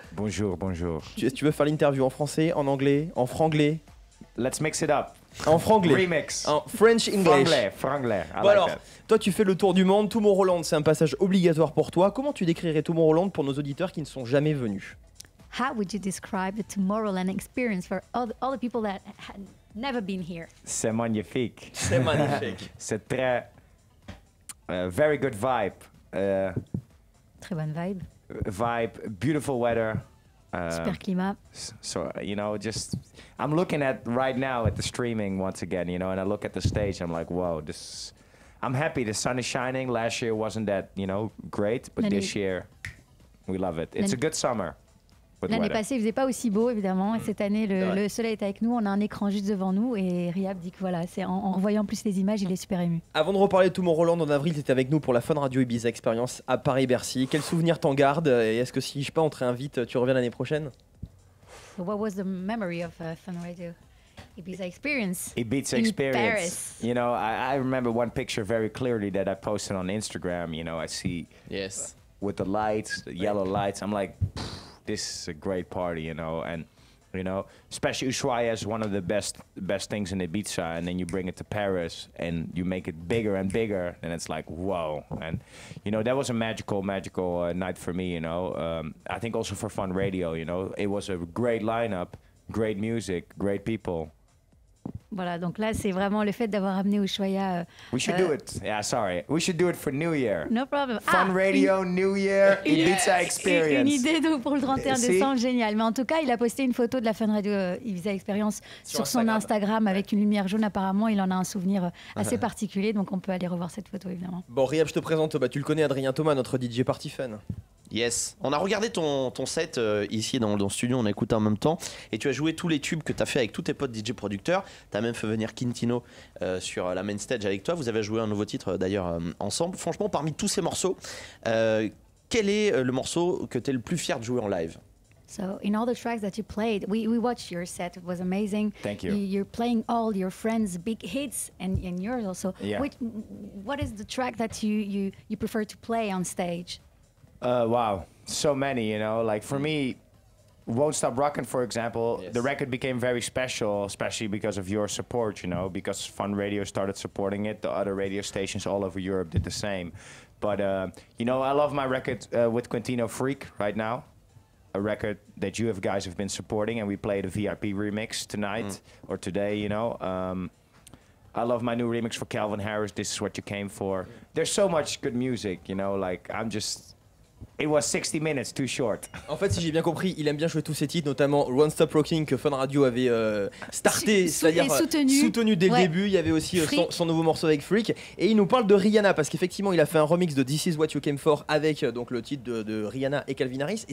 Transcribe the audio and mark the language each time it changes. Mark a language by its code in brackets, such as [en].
[fr] Bonjour, bonjour. Tu veux faire l'interview en français, en anglais, en franglais? [en] Let's mix it up. [fr] En franglais. Remix. En [en] French English. [fr] Franglais. Bon alors, toi tu fais le tour du monde, Tomorrowland c'est un passage obligatoire pour toi. Comment tu décrirais Tomorrowland pour nos auditeurs qui ne sont jamais venus? [en] How would you describe the Tomorrowland experience for all the people that had never been here? [fr] C'est magnifique. C'est magnifique. C'est très... [en] very good vibe. [fr] Très bonne vibe. [en] Vibe, beautiful weather. [fr] Super climat. [en] So, you know, just, I'm looking at right now at the streaming once again, you know, and I look at the stage, I'm like, whoa, this, I'm happy, the sun is shining. Last year wasn't that, you know, great, but this year, we love it. It's a good summer. [fr] L'année passée, il faisait pas aussi beau, évidemment. Et cette année, le soleil est avec nous. On a un écran juste devant nous. Et Riyab dit que voilà, c'est en revoyant plus les images, il est super ému. Avant de reparler de Tomorrowland, en avril, tu étais avec nous pour la Fun Radio Ibiza Experience à Paris-Bercy. Quels souvenirs t'en gardes? Et est-ce que si je sais pas, on te réinvite, tu reviens l'année prochaine? [en] What was the memory of Fun Radio Ibiza Experience? Ibiza Experience. Paris. You know, I remember one picture very clearly that I posted on Instagram. You know, I see. Yes. With the lights, the yellow lights. I'm like. This is a great party, you know, and you know, especially Ushuaia is one of the best things in Ibiza, and then you bring it to Paris and you make it bigger and bigger, and it's like, whoa. And you know, that was a magical night for me, you know. I think also for Fun Radio, you know, it was a great lineup, great music, great people. [fr] Voilà, donc là, c'est vraiment le fait d'avoir amené Ushuaia. [en] We should do it. Yeah, sorry. We should do it for New Year. No problem. Fun Radio, New Year, Ibiza Experience. [fr] Une idée donc pour le 31 décembre, génial. Mais en tout cas, il a posté une photo de la Fun Radio Ibiza Experience sur son Instagram avec une lumière jaune. Apparemment, il en a un souvenir assez particulier. Donc, on peut aller revoir cette photo, évidemment. Bon, Riyab, je te présente. Bah, tu le connais, Adrien Thomas, notre DJ Party Fun. Yes, on a regardé ton set ici dans le studio, on a écouté en même temps et tu as joué tous les tubes que tu as fait avec tous tes potes DJ producteurs. Tu as même fait venir Quintino sur la main stage avec toi. Vous avez joué un nouveau titre d'ailleurs ensemble. Franchement, parmi tous ces morceaux, quel est le morceau que tu es le plus fier de jouer en live? [en] So, in all the tracks that you played, we watched your set, it was amazing. Thank you. You're playing all your friends' big hits and yours also. Yeah. What is the track that you prefer to play on stage? Wow, so many, you know, like for me, Won't Stop Rockin', for example, yes. The record became very special, especially because of your support, you know, because Fun Radio started supporting it. The other radio stations all over Europe did the same. But, you know, I love my record with Quintino Freak right now, a record that you guys have been supporting, and we played a VIP remix tonight or today, you know. I love my new remix for Calvin Harris, This Is What You Came For. Yeah. There's so much good music, you know, like I'm just... It was 60 minutes too short. [fr] En fait, si j'ai bien compris, il aime bien jouer tous ses titres, notamment One Stop Rocking que Fun Radio avait starté, soutenu dès le début. Il y avait aussi son nouveau morceau avec Freak. Et il nous parle de Rihanna parce qu'effectivement, il a fait un remix de This Is What You Came For avec donc, le titre de Rihanna et Calvin Harris.